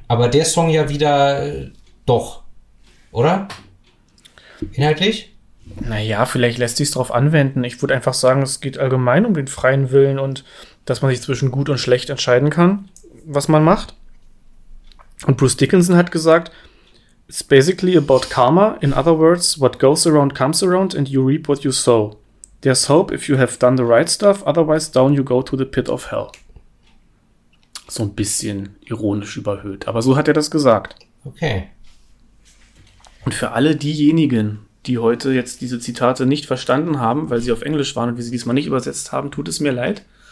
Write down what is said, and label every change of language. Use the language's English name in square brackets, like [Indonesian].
[German] Aber der Song ja wieder doch, oder? Inhaltlich? Naja, vielleicht lässt sich's drauf anwenden. Ich würde einfach sagen, es geht allgemein um den freien Willen und dass man sich zwischen gut und schlecht entscheiden kann, was man macht. Und Bruce Dickinson hat gesagt, [English] it's basically about karma. In other words, what goes around comes around and you reap what you sow. There's hope if you have done the right stuff, otherwise down you go to the pit of hell. [German] So ein bisschen ironisch überhöht, aber so hat er das gesagt. Okay. Und für alle diejenigen, die heute jetzt diese Zitate nicht verstanden haben, weil sie auf Englisch waren und wir sie diesmal nicht übersetzt haben, tut es mir leid.